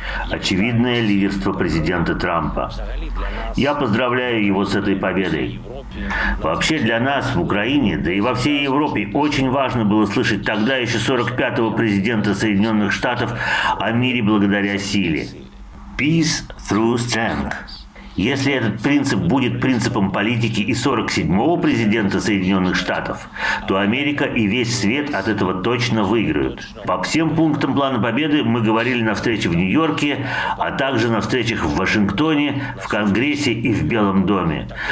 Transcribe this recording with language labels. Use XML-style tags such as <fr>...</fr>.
<ru>Очевидное лидерство президента Трампа. Я поздравляю его с этой победой. Вообще для нас в Украине, да и во всей Европе, очень важно было слышать тогда еще 45-го президента Соединенных Штатов о мире благодаря силе.</ru> <en>Peace through strength.</en> <ru>Если этот принцип будет принципом политики и 47-го президента Соединенных Штатов, то Америка и весь свет от этого точно выиграют. По всем пунктам плана победы мы говорили на встрече в Нью-Йорке, а также на встречах в Вашингтоне, в Конгрессе и в Белом доме.</ru>